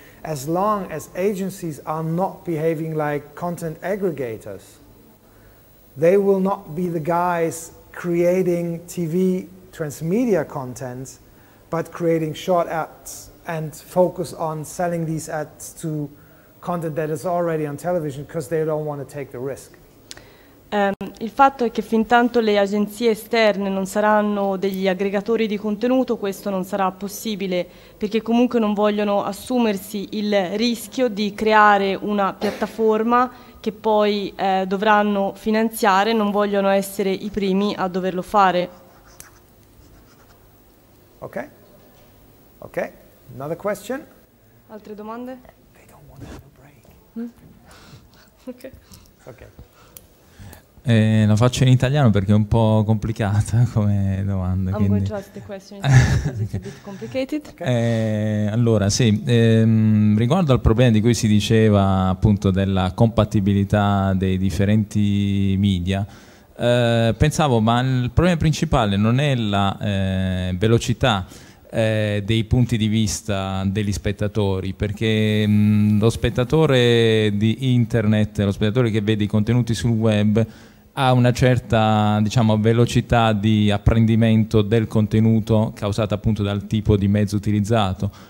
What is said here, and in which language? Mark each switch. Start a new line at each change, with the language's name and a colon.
English: As long as agencies are not behaving like content aggregators, they will not be the guys creating TV transmedia content, but creating short ads and focus on selling these ads to content that is already on television because they don't want to take the risk.
Italian: Il fatto è che fin tanto le agenzie esterne non saranno degli aggregatori di contenuto, questo non sarà possibile, perché comunque non vogliono assumersi il rischio di creare una piattaforma che poi dovranno finanziare, non vogliono essere i primi a doverlo fare.
English: Ok, ok, another question?
Italian: Altre domande?
English: They don't want to have a break. Ok.
Italian: La faccio in italiano perché è un po' complicata come domanda.
English: I'm going to ask the question in Italian because it's a bit complicated. Okay.
Italian: Allora, sì, riguardo al problema di cui si diceva appunto della compatibilità dei differenti media, pensavo, ma il problema principale non è la velocità dei punti di vista degli spettatori, perché lo spettatore di internet, lo spettatore che vede i contenuti sul web, ha una certa, diciamo, velocità di apprendimento del contenuto causata appunto dal tipo di mezzo utilizzato.